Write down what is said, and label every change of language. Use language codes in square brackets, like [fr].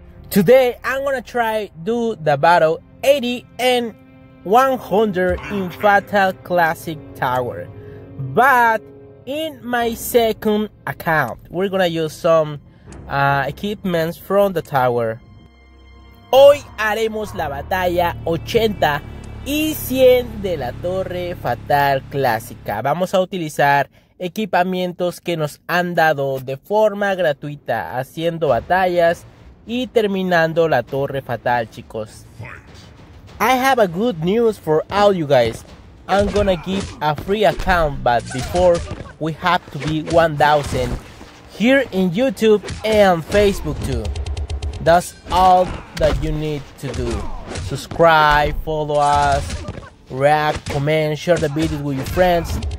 [en] Today I'm gonna try do the battle 80 and 100 in Fatal Classic Tower, but in my second account we're gonna use some equipments from the tower. [es] Hoy haremos la batalla 80 y 100 de la Torre Fatal Clásica. Vamos a utilizar equipamientos que nos han dado de forma gratuita haciendo batallas y terminando la Torre Fatal, chicos. [en] I have a good news for all you guys. I'm gonna give a free account, but before we have to be 1000 here in YouTube and Facebook too. That's all that you need to do. Subscribe, follow us, react, comment, share the video with your friends.